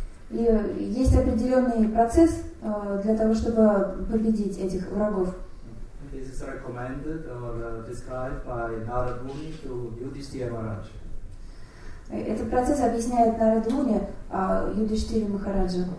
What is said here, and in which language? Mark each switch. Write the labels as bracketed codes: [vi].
[ru] И есть определенный процесс для того, чтобы победить этих врагов. [en] This is recommended or described by Narad Muni to Yudhishthira Maharaj. [ru] Этот процесс объясняет Нарад Муни Юдхиштхире Махараджу.